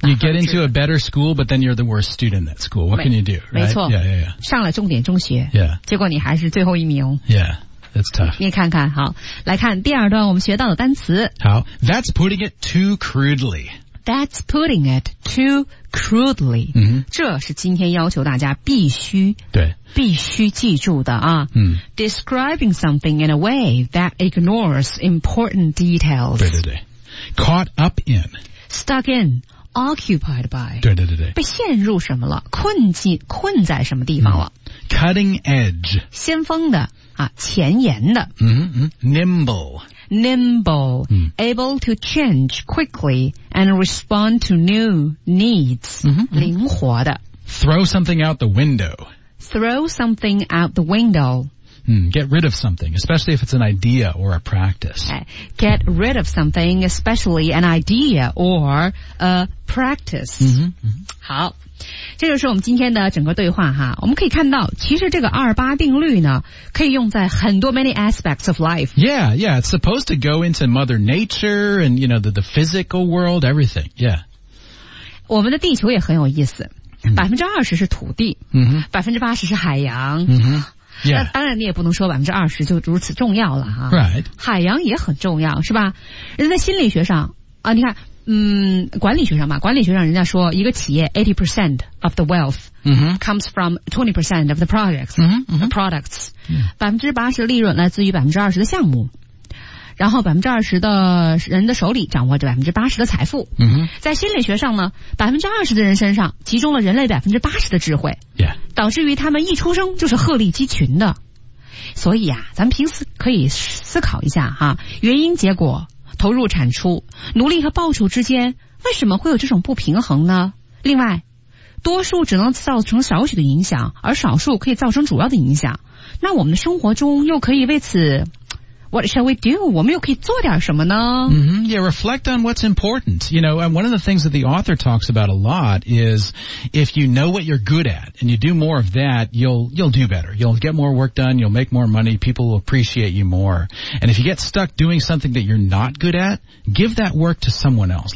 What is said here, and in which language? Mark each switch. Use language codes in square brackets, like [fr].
[en] you get into a better school but then you're the worst student at school what can you do、right? [zh] 没错 [en] yeah, yeah, yeah. [zh] 上了重点中学、 [en] yeah. [zh] 结果你还是最后一名 [en] yeah that's tough [zh] 你看看好来看第二段我们学到的单词 [en] 好 that's putting it too crudely That's putting it too crudely.、 Mm-hmm. [zh] 这是今天要求大家必须对必须记住的啊、嗯。 [en] Describing something in a way that ignores important details. [zh] 对对对。 [en] Caught up in. Stuck in. Occupied by. [zh] 对对对对。被陷入什么了困在什么地方了、嗯、 [en] Cutting edge. [zh] 先锋的啊前沿的。 [en] 嗯嗯 Nimble. Nimble,、mm. able to change quickly and respond to new needs. Mm-hmm, mm-hmm. [zh] 灵活的 [en] Throw something out the window. Throw something out the window.、 Mm, get rid of something, especially if it's an idea or a practice. Get rid of something, especially an idea or a practice. Mm-hmm, mm-hmm. [zh] 好这就是我们今天的整个对话哈我们可以看到其实这个二八定律呢可以用在很多 [en] many aspects of life. Yeah, yeah, it's supposed to go into mother nature and, you know, the physical world, everything, yeah. [zh] 我们的地球也很有意思 20% 是土地、 mm-hmm. 80% 是海洋、 [en] mm-hmm. yeah. [zh] 那当然你也不能说20%就如此重要了哈、 [en] right. [zh] 海洋也很重要是吧人在心理学上啊你看嗯管理学上吧管理学上人家说一个企业 [en] 80% of the wealth、 mm-hmm. comes from 20% of the projects,、 mm-hmm. the products.、 Mm-hmm. [zh] 80%的利润来自于20%的项目然后20%的人的手里掌握着80%的财富。 Mm-hmm. 在心理学上呢20%的人身上集中了人类80%的智慧、 [en] yeah. [zh] 导致于他们一出生就是鹤立鸡群的。所以啊咱们平时可以思考一下哈、啊、原因结果投入产出努力和报酬之间为什么会有这种不平衡呢另外多数只能造成少许的影响而少数可以造成主要的影响那我们的生活中又可以为此 [en] What shall we do? [zh] 我们又可以做点什么呢、 [en] mm-hmm. Yeah, reflect on what's important. You know, and one of the things that the author talks about a lot is if you know what you're good at and you do more of that, you'll do better. You'll get more work done. You'll make more money. People will appreciate you more. And if you get stuck doing something that you're not good at, give that work to someone else.